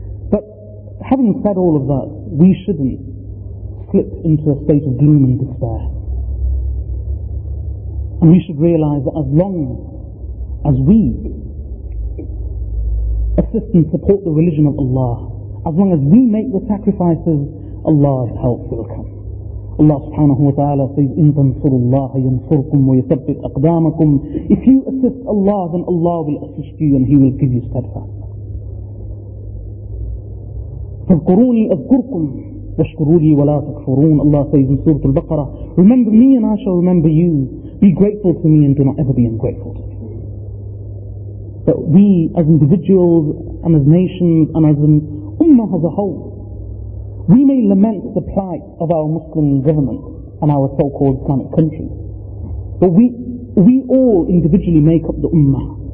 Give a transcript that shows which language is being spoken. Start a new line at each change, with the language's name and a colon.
English: But having said all of that, we shouldn't slip into a state of gloom and despair. And we should realize that as long as we assist and support the religion of Allah, as long as we make the sacrifices, Allah's help will come.
Arabic: Allah subhanahu wa ta'ala says, إِن تَنْصُرُ اللَّهَ يَنْصُرْكُمْ وَيَثَبِّتْ أَقْدَامَكُمْ.
English: If you assist Allah, then Allah will assist you and He will give you steadfastness.
Arabic: فَذْكُرُونِي أَذْكُرْكُمْ وَاشْكُرُوا لِي وَلَا تَكْفُرُونَ.
English: Allah says in Surah Al-Baqarah, remember me and I shall remember you. Be grateful to me and do not ever be ungrateful to me. That we as individuals and as nations and as an ummah as a whole, we may lament the plight of our Muslim government and our so-called Islamic country, but we all individually make up the ummah.